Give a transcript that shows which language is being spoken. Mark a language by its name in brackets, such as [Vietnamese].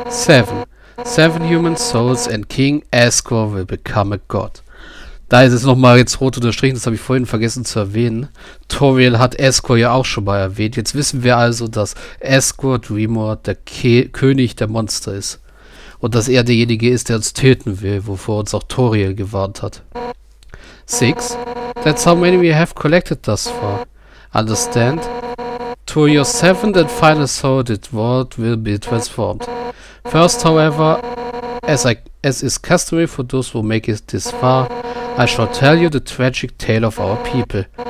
[English] Seven human souls and King Asgore will become a god. [German] Da ist es nochmal jetzt rot unterstrichen, das habe ich vorhin vergessen zu erwähnen. Toriel hat Asgore ja auch schon mal erwähnt. Jetzt wissen wir also, dass Asgore Dreamer der König der Monster ist. Und dass er derjenige ist, der uns töten will, wovor uns auch Toriel gewarnt hat. [English] Six, that's how many we have collected thus far. Understand? To your seventh and final soul, the world will be transformed. First, however, as is customary for those who make it this far, I shall tell you the tragic tale of our people.